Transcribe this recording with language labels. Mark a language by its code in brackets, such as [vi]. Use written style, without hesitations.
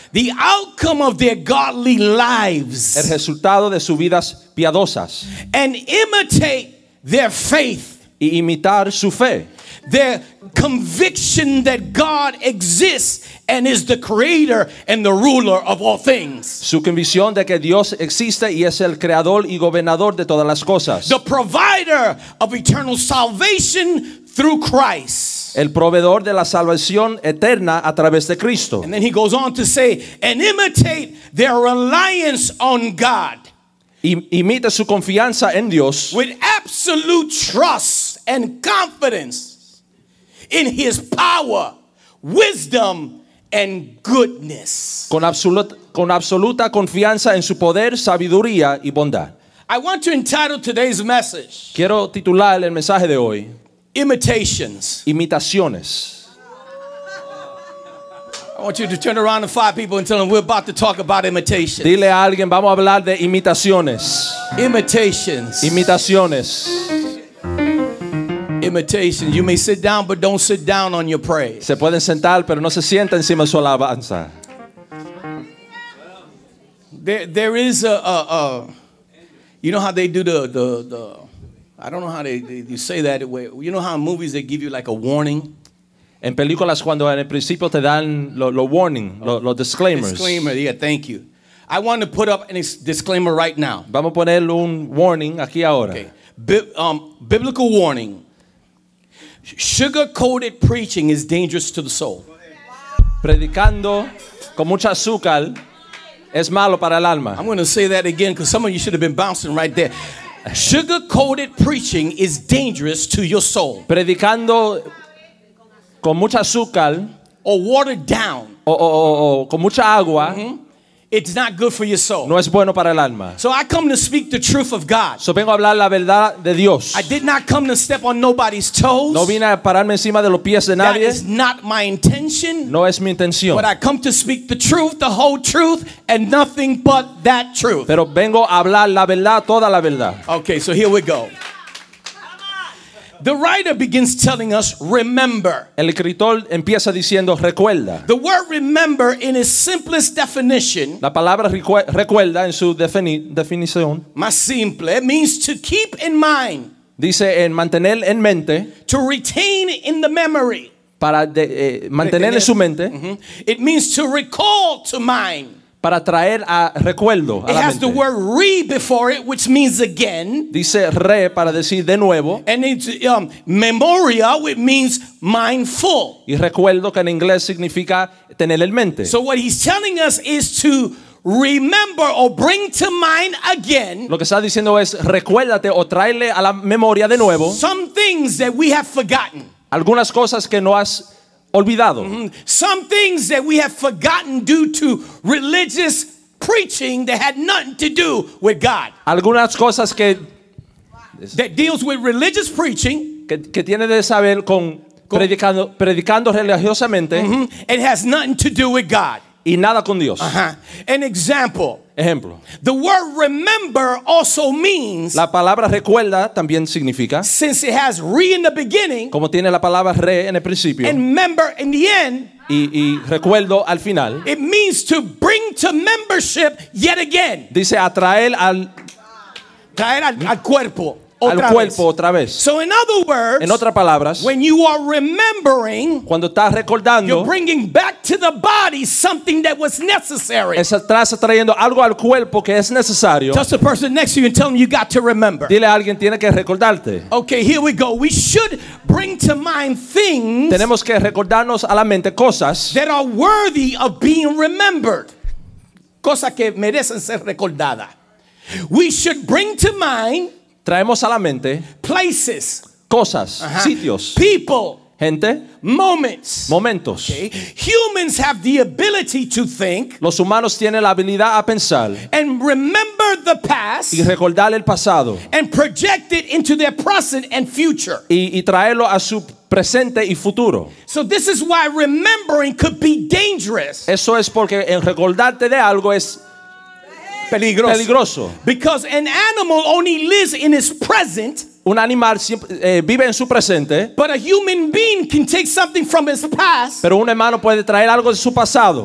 [en] The outcome of their godly lives. [es] El resultado de sus vidas piadosas. [en] And imitate their faith. [es] Y imitar su fe. [en] Their conviction that God exists and is the creator and the ruler of all things. [es] Su convicción de que Dios existe y es el creador y gobernador de todas las cosas. [en] The provider of eternal salvation through Christ. [es] El proveedor de la salvación eterna a través de Cristo. [en] And then he goes on to say, and imitate their reliance on God. [es] Imita su confianza en Dios. [en] With absolute trust and confidence in his power, wisdom, and goodness. [es] Con absoluta confianza en su poder, sabiduría, y bondad. [en] I want to entitle today's message. [es] Quiero titular el mensaje de hoy. [en] Imitations. [es] Imitaciones. [en] I want you to turn around to five people and tell them we're about to talk about imitations. [es] Dile a alguien, vamos a hablar de imitaciones. [en] Imitations. [es] Imitaciones. [en] Imitations. You may sit down, but don't sit down on your praise. [es] Se pueden sentar, pero no se sienta encima de su alabanza. [en] There is a you know how they do the I don't know how they say that way. You know how in movies they give you like a warning? [es] En películas cuando en el principio te dan lo [en] warning, [es] lo [en] disclaimers. Disclaimer, yeah, thank you. I want to put up a disclaimer right now. [es] Vamos a poner un warning aquí ahora. [en] Okay. Biblical warning. Sugar-coated preaching is dangerous to the soul. [es] Predicando con mucha azúcar es malo para el alma. [en] I'm going to say that again because some of you should have been bouncing right there. Sugar-coated preaching is dangerous to your soul. [es] Predicando con mucha azúcar. [en] Or watered down. [es] O con mucha agua. [en] Mm-hmm. It's not good for your soul. [es] No es bueno para el alma. [en] So I come to speak the truth of God. [es] So vengo a hablar la verdad de Dios. [en] I did not come to step on nobody's toes. [es] No vine a pararme encima de los pies de nadie. [en] That is not my intention. [es] No es mi intención. [en] But I come to speak the truth, the whole truth, and nothing but that truth. [es] Pero vengo a hablar la verdad, toda la verdad. [en] Okay, so here we go. The writer begins telling us, remember. [es] El escritor empieza diciendo, recuerda. [en] The word remember in its simplest definition. [es] La palabra recuerda en su definición. Más simple. [en] It means to keep in mind. [es] Dice en mantener en mente. [en] To retain in the memory. [es] Para mantener en su mente. [en] Mm-hmm. It means to recall to mind. [es] Para traer a recuerdo a [en] it has [es] mente. [en] The word re before it, which means again. [es] Dice re para decir de nuevo. [en] And it's memoria, which means mindful. [es] Y recuerdo que en inglés significa tener en mente. [en] So what he's telling us is to remember or bring to mind again. [es] Lo que está diciendo es recuérdate o tráele a la memoria de nuevo. [en] Some things that we have forgotten. [es] Algunas cosas que no has olvidado. Mm-hmm. [en] Some things that we have forgotten due to religious preaching that had nothing to do with God. [es] Algunas cosas que [en] that deals with religious preaching [es] que tiene de saber con predicando religiosamente. [en] Mm-hmm. It has nothing to do with God. [es] Y nada con Dios. [en] Uh-huh. An example. [es] Ejemplo. [en] The word remember also means. [es] La palabra recuerda también significa. [en] Since it has re in the beginning. [es] Como tiene la palabra re en el principio. [en] And member in the end. [es] Y recuerdo al final. [en] It means to bring to membership yet again. [es] Dice atraer al cuerpo. Al cuerpo otra vez. [en] So in other words, [es] en otras palabras, [en] when you are remembering, [es] cuando estás recordando, [en] you're bringing back to the body something that was necessary. [es] Estás trayendo algo al cuerpo que es necesario. [en] Touch the person next to you and tell them you got to remember. [es] Dile a alguien, tiene que recordarte. [en] Okay, here we go. We should bring to mind things. [es] Tenemos que recordarnos a la mente cosas [en] that are worthy of being remembered. [es] Cosas que merecen ser recordadas. [en] We should bring to mind. [es] Traemos a la mente [en] places, [es] cosas, sitios, [en] people, [es] gente, [en] moments, [es] momentos. [en] Okay. Humans have the ability to think. [es] Los humanos tienen la habilidad a pensar. [en] And remember the past. [es] Y recordar el pasado. [en] And project it into their present and future. [es] Y traerlo a su presente y futuro. [en] So this is why remembering could be dangerous. [es] Eso es porque en recordarte de algo es peligroso. Peligroso. [en] Because an animal only lives in his present. [es] Un animal vive en su presente. [en] But a human being can take something from his past. [es] Pero un humano puede traer algo de su pasado.